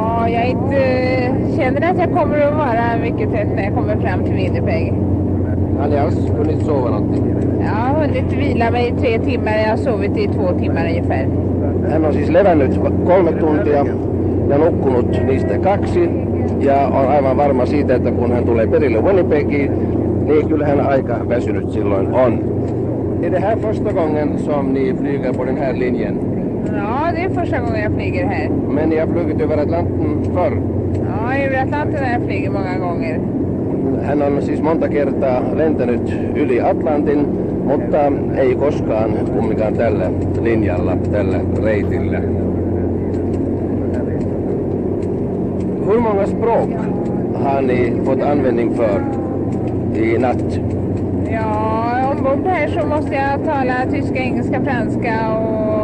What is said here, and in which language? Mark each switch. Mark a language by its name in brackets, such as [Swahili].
[Swedish] Jag inte känner att jag kommer att vara mycket trött när jag kommer fram till Winnipeg. Har ni alls hunnit sova någonting? Ja, jag har hunnit vila mig i 3 timmar. Jag har sovit i 2 timmar ungefär. [Finnish] Hän on siis levännyt 3 tuntia ja nukkunut niistä 2. Ja on aivan varma siitä, että kun hän tulee perille Winnipegiin, niin kyllähän aika väsynyt silloin on. [Swedish] Är det här första gången som ni flyger på den här linjen? Ja, det är första gången jag flyger här. Men ni har flugit över Atlanten förr? Ja, över Atlanten har jag flugit många gånger. [Finnish] Hän on siis monta kertaa lentänyt yli Atlantin, mutta ei koskaan kumminkaan tällä linjalla, tällä reitillä. [Swedish] Hur många språk har ni fått användning för i natt? Ja, ombord här så måste jag tala tyska, engelska, franska och...